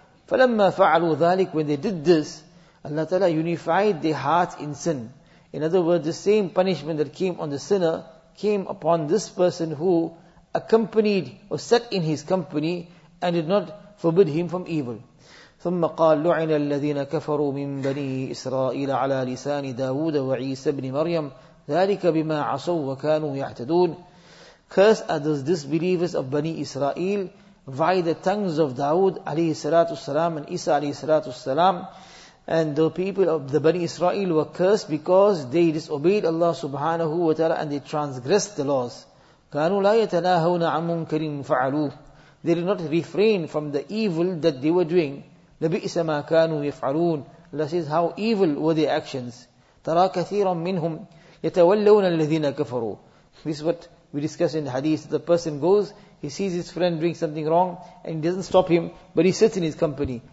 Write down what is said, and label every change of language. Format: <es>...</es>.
<ar>فَلَمَّا فَعَلُوا ذَٰلِكَ,</ar> <en>when they did this, Allah Ta'ala unified their hearts in sin. In other words, the same punishment that came on the sinner came upon this person who accompanied or sat in his company and did not forbid him from evil.</en> <ar>ثم قال لعن الذين كفروا من بني إسرائيل على لسان داود وعيسى بن مريم ذلك بما عصوا وكانوا يعتدون.</ar> <en>Cursed are those disbelievers of Bani Israel via the tongues of Dawood alayhi salatu salam and Isa alayhi salatu salam. And the people of the Bani Israel were cursed because they disobeyed Allah subhanahu wa ta'ala and they transgressed the laws.</en> <ar>كانوا لا يتناهون عن منكر فعلوه.</ar> <en>They did not refrain from the evil that they were doing.</en> <ar>لَبِئِسَ مَا كَانُوا يَفْعَلُونَ.</ar> <en>Allah says, how evil were their actions.</en> <ar>تَرَى كَثِيرًا مِّنْهُمْ يَتَوَلَّوْنَ الَّذِينَ كَفَرُوا.</ar> <en>This is what we discuss in the hadith. The person goes, he sees his friend doing something wrong, and he doesn't stop him, but he sits in his company.</en>